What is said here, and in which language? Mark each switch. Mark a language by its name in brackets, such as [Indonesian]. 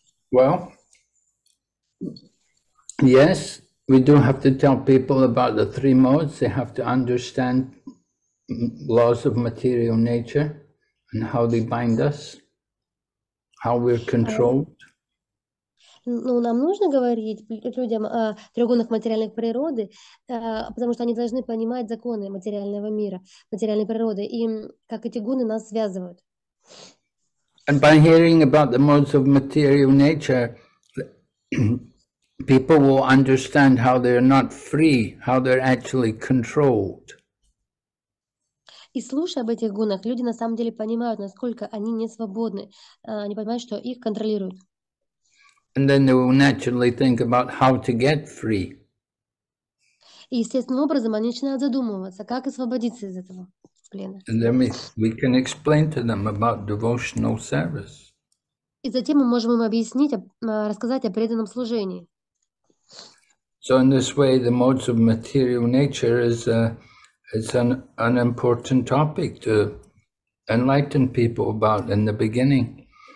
[English] Well, yes, we do have to tell people about the three modes. They have to understand laws of material nature and how they bind us, how we're controlled. [Russian] Нам нужно говорить людям о трех гунах материальных природы, потому что они должны понимать законы материального мира, материальной природы, и как эти гуны нас связывают. [English] And by hearing about the modes of material nature, people will understand how they're not free, how they're actually controlled. [Russian] И слушая об этих гунах, люди на самом деле понимают, насколько они не свободны. Они понимают, что их контролируют. [English] And then they will naturally think about how to get free. [Russian] И естественным образом они начинают задумываться, как освободиться из этого плена. [English] And then we can explain to them about devotional service. [Russian] И затем мы можем им объяснить, рассказать о преданном служении. [English] So in this way, the modes of material nature is an important topic to enlighten people about in the beginning.